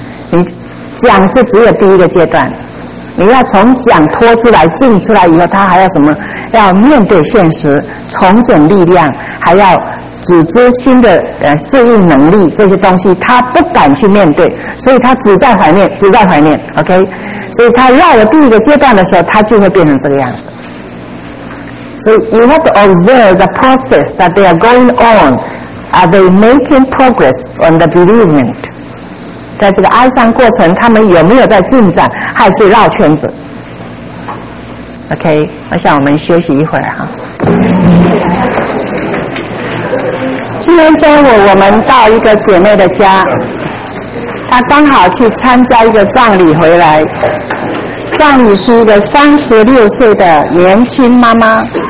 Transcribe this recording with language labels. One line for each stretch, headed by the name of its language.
Chinese: 你讲是只有第一个阶段，你要从讲拖出来，进出来以后他还要什么，要面对现实，重整力量，还要组织新的适应能力，这些东西他不敢去面对，所以他只在怀念 OK， 所以他绕了第一个阶段的时候他就会变成这个样子。所以
English: you have to observe the process that they are going on。 Are they making progress on the bereavement?
Chinese: 在这个哀伤过程，他们有没有在进展，还是绕圈子？ OK， 我想我们休息一会儿哈。今天中午我们到一个姐妹的家，她刚好去参加一个葬礼回来，葬礼是一个36岁的年轻妈妈。